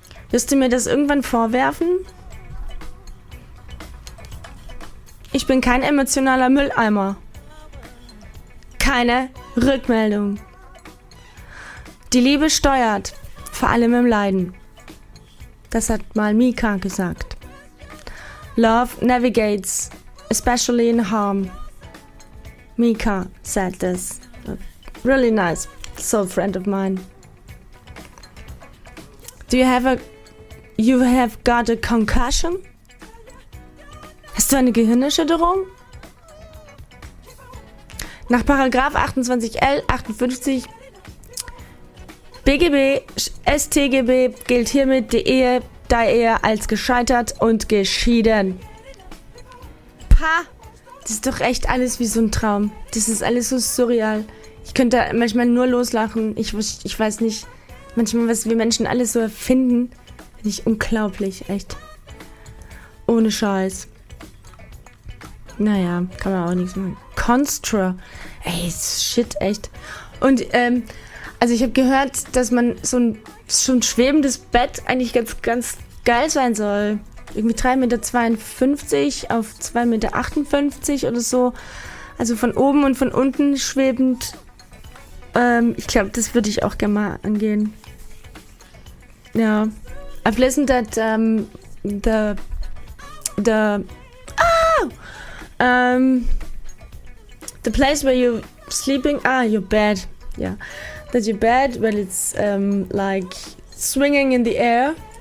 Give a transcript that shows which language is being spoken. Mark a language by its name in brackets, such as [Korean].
[German] Wirst du mir das irgendwann vorwerfen? Ich bin kein emotionaler Mülleimer. Keine Rückmeldung. Die Liebe steuert, vor allem im Leiden. Das hat mal Mika gesagt. [English] Love navigates, especially in harm. Mika said this. Really nice, soul friend of mine. You have got a concussion? [German] Hast du eine Gehirnerschütterung? Nach Paragraph 28L 58 BGB StGB gilt hiermit die Ehe, da er als gescheitert und geschieden. Pa! Das ist doch echt alles wie so ein Traum. Das ist alles so surreal. Ich könnte manchmal nur loslachen. Ich weiß nicht, manchmal, was wir Menschen alles so erfinden. Finde ich unglaublich, echt. Ohne Scheiß. Naja, kann man auch nichts machen. Constra. Ey, shit, echt. Und, also ich habe gehört, dass man so ein schwebendes Bett eigentlich ganz, ganz geil sein soll. Irgendwie 3,52 Meter auf 2,58 Meter oder so. Also von oben und von unten schwebend. Ich glaube, das würde ich auch gerne mal angehen. Ja. [English] I've listened at the place where you're sleeping. Your bed. Yeah. That's your bed, but it's like swinging in the air.